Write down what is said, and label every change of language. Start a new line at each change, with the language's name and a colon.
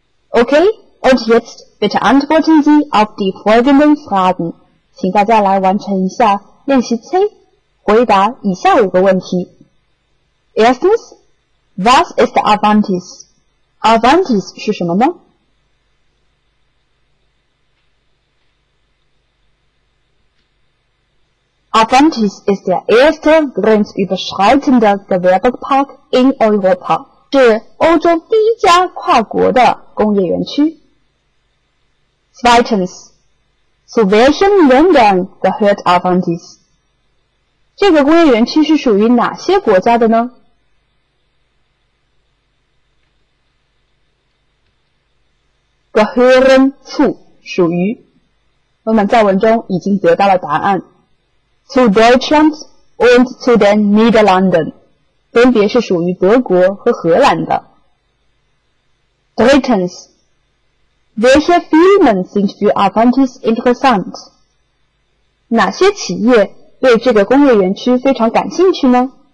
German: Okay, und jetzt bitte antworten Sie auf die folgenden Fragen.
Chinese: 请大家来完成一下练习 C, 回答以下五个问题。
German: Erstens, was ist Avantis?
Chinese: Avantis 是什么呢？
German: Avantis ist der erste grenzüberschreitende Gewerbepark in Europa.
Chinese: 是欧洲第一家跨国的工业园区。
German: Zweitens, zu welchen Ländern gehört Avantis?
Chinese: 这个工业园区是属于哪些国家的呢？
German: Gehören zu, 属于。
Chinese: 我们在文中已经得到了答案。
German: Zu Deutschland und zu den Niederlanden,
Chinese: 分别是属于德国和荷兰的。
German: Drittens, welche Firmen sind für Avantis interessant?
Chinese: 哪些企业对这个工业园区非常感兴趣呢？